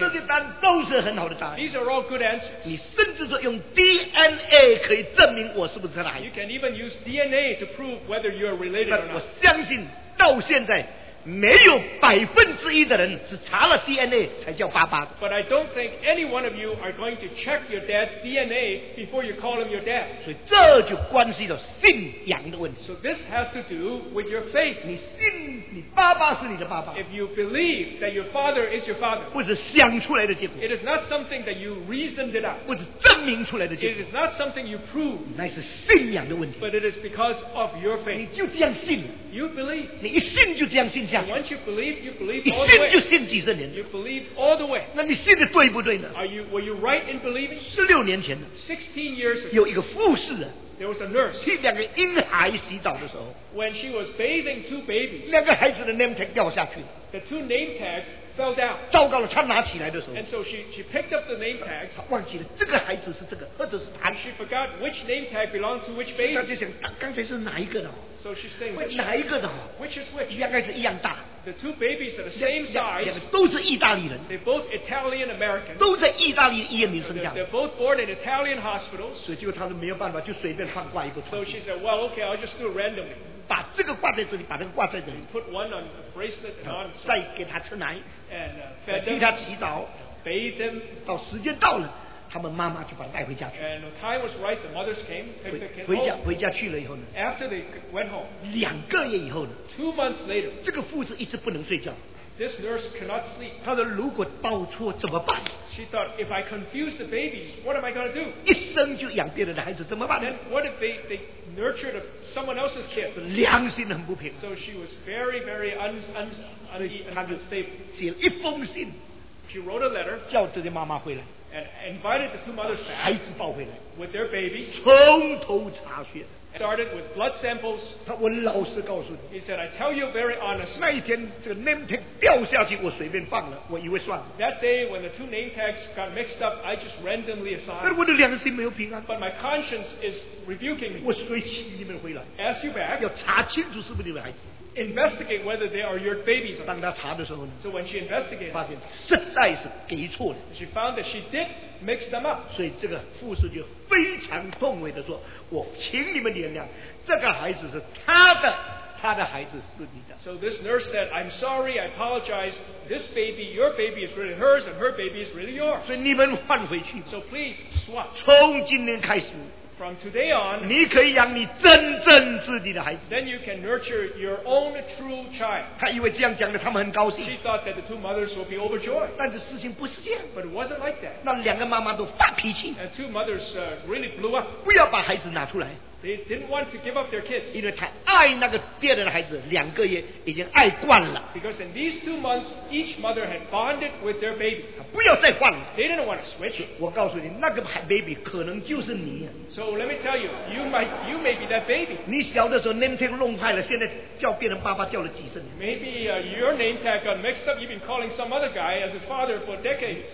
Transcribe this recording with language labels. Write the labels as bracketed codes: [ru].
[zh] 这些答案都是很好的答案 [en] These are all good answers. [zh] 你甚至说用 DNA 可以证明我是不是他的孩子 [en] You can even use DNA to prove whether you are related or not. [zh] 我相信到现在没有百分之一的人是查了 DNA 才叫爸爸的。 [en] But I don't think any one of you are going to check your dad's DNA before you call him your dad. [zh] 所以这就关系到信仰的问题。 [en] So this has to do with your faith. [zh] 你信你爸爸是你的爸爸。 [en] If you believe that your father is your father. [zh] 不是想出来的结果。 [en] It is not something that you reasoned it out. [zh] 不是证明出来的结果。 [en] It is not something you proved. [zh] 那是信仰的问题。 [en] But it is because of your faith. [zh] 你就这样信。 [en] You believe. [zh] 你一信就这样信。 [en] And once you believe all the way. [zh] 你信就信几十年。 [en] You believe all the way. [zh] 那你信的对不对呢？ [en] Were you right in believing? [zh] 16年前呢？ [en] 16 years ago. [zh] 有一个护士啊。 [en] There was a nurse. [zh] 替两个婴孩洗澡的时候。 [en] When she was bathing two babies. [zh] 两个孩子的 name tag 掉下去。 [en] The two name tags fell down. [zh] 糟糕了，她拿起来的时候。 [en] And so she picked up the name tags. [zh] 她忘记了这个孩子是这个，或者是她。 [en] She forgot which name tag belonged to which baby. [zh] 她就想，刚才是哪一个的？ [en] So she's saying, which, [zh] 哪一个的哈？ [en] Which is which? [zh] 应该是一样大。 [en] The two babies are the same size. [zh] 两个都是意大利人。 [en] They're both Italian Americans. [zh] 都在意大利医院里生下。 [en] They're both born in Italian hospitals. [zh] 所以结果她说没有办法，就随便放挂一个。 [en] So she said, well, okay, I'll just do it randomly. [zh] 把这个挂在这里，把那个挂在这里。 [en] Put one on a bracelet and on. [zh] 再给他吃奶。 [en] And fed them. [zh] 替他洗澡。 [en] Bathe them. [zh] 到时间到了。他们妈妈就把他带回家去。 [en] And the time was right, the mothers came, picked the kid. [zh] 回家去了以后呢？ [en] After they went home. [zh] 两个月以后呢？ [en] 2 months later. [zh] 这个护士一直不能睡觉。 [en] This nurse cannot sleep. [zh] 她说如果报错怎么办？ [en] She thought, if I confuse the babies, what am I going to do? [zh] 一生就养别人的孩子怎么办呢？ [en] And what if they nurtured someone else's kid? [zh] 良心很不平。 [en] So she was very, very unstable. [zh] 写了一封信。 [en] She wrote a letter. [zh] 叫这些妈妈回来。 [en] And invited the two mothers back. [zh] 孩子抱回来。 [en] With their babies. [zh] 从头查血。 [en] Started with blood samples. [zh] 他我老实告诉你。 [en] He said, I tell you very honestly. [zh] 那一天这个 name tag 掉下去，我随便放了，我以为算了。 [en] That day when the two name tags got mixed up, I just randomly assigned. [zh] 但我的良心没有平安。 [en] But my conscience is rebuking me. [zh] 我随即你们回来。 [en] Ask you back. [zh] 要查清楚是不是你们孩子。 [en] Investigate whether they are your babies. [zh] 当他查的时候呢？ [en] So when she investigated, [zh] 发现实在是给错了。 [en] She found that she did mix them up. [zh] 所以这个护士就非常痛悔的说：“我请你们原谅，这个孩子是他的，他的孩子是你的。” [en] So this nurse said, "I'm sorry, I apologize. This baby, your baby, is really hers, and her baby is really yours." [zh] 所以你们换回去。 [en] So please swap. [zh] 从今天开始。 [en] From today on, [zh] 你可以养你真正自己的孩子。 [en] Then you can nurture your own true child. [zh] 他以为这样讲的，他们很高兴。 [en] She thought that the two mothers would be overjoyed. [zh] 但是事情不是这样。 [en] But it wasn't like that. [zh] 那两个妈妈都发脾气。 [en] And two mothers really blew up. [zh] 不要把孩子拿出来。 [en] They didn't want to give up their kids. [zh] 因为他爱那个别人的孩子，两个月已经爱惯了。 [en] Because in these 2 months, each mother had bonded with their baby. [zh] 他不要再换了。 [en] They didn't want to switch. [zh] 我告诉你，那个 baby 可能就是你。 [en] So let me tell you, you may be that baby. [zh] 你小的时候 name tag 弄坏了，现在叫别人爸爸叫了几十年。 [en] Maybe your name tag got mixed up. You've been calling some other guy as a father for decades.